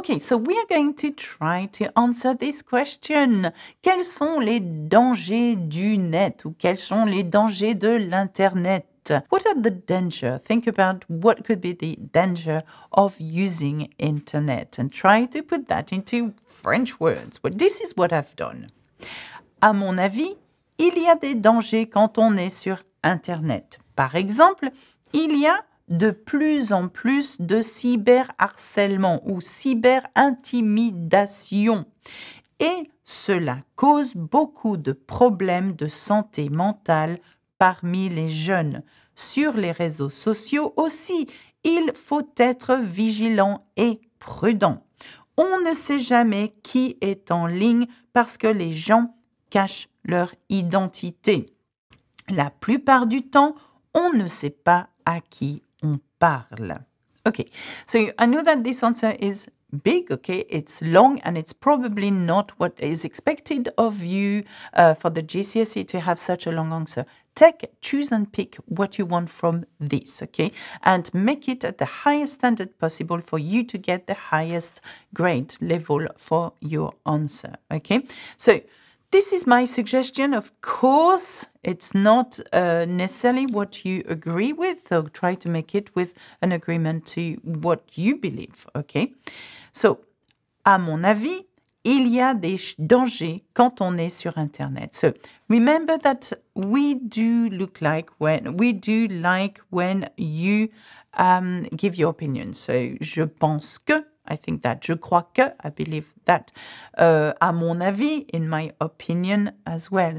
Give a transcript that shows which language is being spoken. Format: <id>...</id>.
<en>Okay, so we are going to try to answer this question.</en> <fr>Quels sont les dangers du net? Ou quels sont les dangers de l'Internet?</fr> <en>What are the danger? Think about what could be the danger of using internet and try to put that into French words. Well, this is what I've done.</en> <fr>À mon avis, il y a des dangers quand on est sur internet. Par exemple, il y a de plus en plus de cyberharcèlement ou cyberintimidation. Et cela cause beaucoup de problèmes de santé mentale parmi les jeunes. Sur les réseaux sociaux aussi, il faut être vigilant et prudent. On ne sait jamais qui est en ligne parce que les gens cachent leur identité. La plupart du temps, on ne sait pas à qui on parle.</fr> <en>Okay, so I know that this answer is big, okay, it's long and it's probably not what is expected of you for the GCSE to have such a long answer. Take, choose and pick what you want from this, okay? And make it at the highest standard possible for you to get the highest grade level for your answer, okay? So, this is my suggestion. Of course, it's not necessarily what you agree with. So try to make it with an agreement to what you believe, okay?</en> <fr>So, à mon avis, il y a des dangers quand on est sur Internet.</fr> <en>So, remember that we do like when you give your opinion. So,</en> <fr>je pense que,</fr> <en>I think that,</en> <fr>je crois que,</fr> <en>I believe that,</en> <fr>à mon avis,</fr> <en>in my opinion as well.</en>